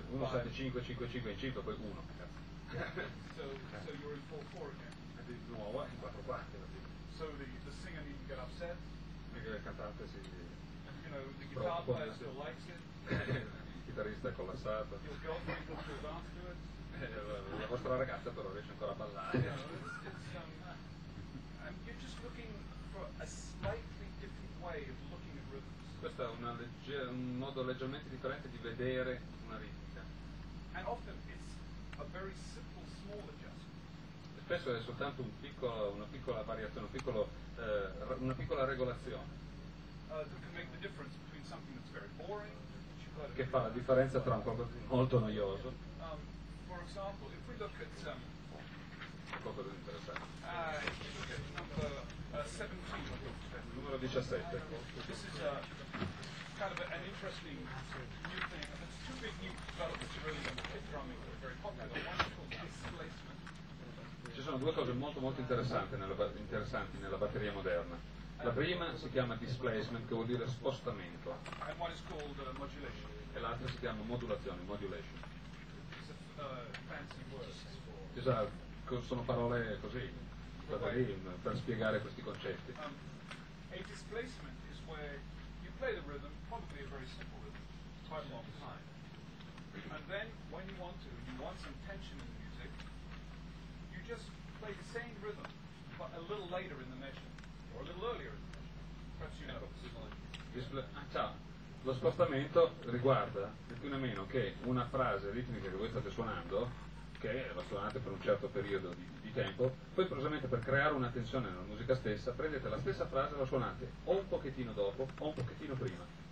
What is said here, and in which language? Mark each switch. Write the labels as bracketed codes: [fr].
[en] So you're in 4-4 again. [it] E di nuovo in 4-4. [en] So the singer needs to get upset. [it] Perché il cantante si... [en] You know, the guitar player still likes it. [it] Il chitarrista è collassato. [en] Your girlfriend wants to dance to it. [it] La vostra ragazza però riesce ancora a ballare. [en] You're just looking for a slightly different way of looking at rhythms. [it] Questo è un modo leggermente differente di vedere una ritmica. [en] And often it's a very simple, small adjustment. [it] E spesso è soltanto una piccola variazione, una piccola regolazione. [en] That can make the difference between something that's very boring, [it] che fa la differenza tra un qualcosa di molto noioso. [en] For example, if we look at [it] Cosa interessante. [en] If we look at number [it] Numero 17. [en] This is kind of an interesting new thing. And there's two big new developments really on the drumming that are very popular. One is called displacement. [it] Ci sono due cose molto molto interessanti nella batteria moderna. La prima si chiama displacement, che vuol dire spostamento. [en] And one is called modulation. [it] E l'altra si chiama modulazione, modulation. [en] It's a fancy word. [it] Sono parole così, per spiegare questi concetti. [en] A displacement is where you play the rhythm, probably a very simple rhythm, quite a long time. And then, when you want some tension in the music, you just play the same rhythm, but a little later in the measure, or a little earlier in the measure. Perhaps you know. [it] Lo spostamento riguarda più o meno che una frase ritmica che voi state suonando, che la suonate per un certo periodo di tempo, poi precisamente per creare una tensione nella musica stessa, prendete la stessa frase e la suonate o un pochettino dopo o un pochettino prima.